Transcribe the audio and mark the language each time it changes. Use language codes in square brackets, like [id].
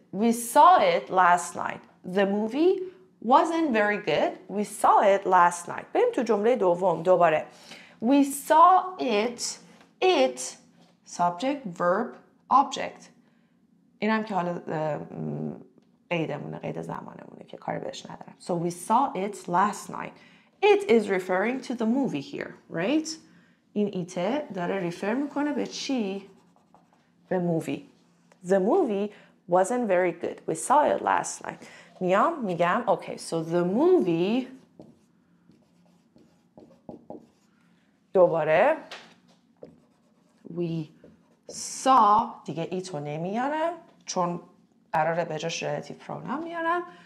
[en] We saw it last night. The movie wasn't very good. We saw it last night. [fa] بریم تو جمله دوم دوباره. [en] We saw it. It. Subject, verb, object. [fa] این هم که حالا قیدمونه، قید زمانمونه که کاری بهش ندارم. [en] So we saw it last night. It is referring to the movie here, right? [fa] این ایته داره ریفر میکنه به چی؟ به movie. [en] The movie wasn't very good. We saw it last night. [fa] میام میگم okay, [en] so the movie [fa] دوباره [en] we saw [fa] دیگه ایتو نمیارم چون قراره به جاش relative pronoun میارم.